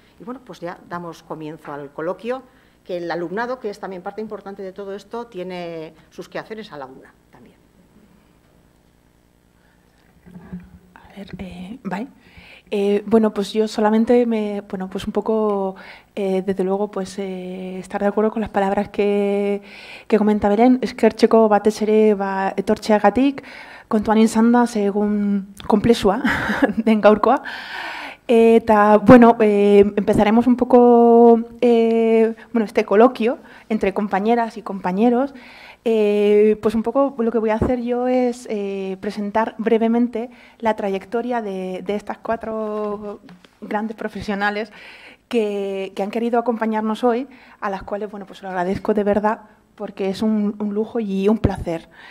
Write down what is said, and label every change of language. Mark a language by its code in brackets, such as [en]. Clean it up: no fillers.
[es] Y bueno, pues ya damos comienzo al coloquio, que el alumnado, que es también parte importante de todo esto, tiene sus quehaceres a la una también. A ver, bueno, pues yo solamente me, bueno, pues un poco, desde luego, pues estar de acuerdo con las palabras que comenta Belén. [eu] Eskertzeko batez ere ba etortzeagatik, kontuan izan da segun konplexua den gaurkoa. [es] Eta, bueno, empezaremos un poco, bueno, este coloquio entre compañeras y compañeros. Pues un poco lo que voy a hacer yo es presentar brevemente la trayectoria de estas 4 grandes profesionales que han querido acompañarnos hoy, a las cuales, bueno, pues lo agradezco de verdad porque es un lujo y un placer.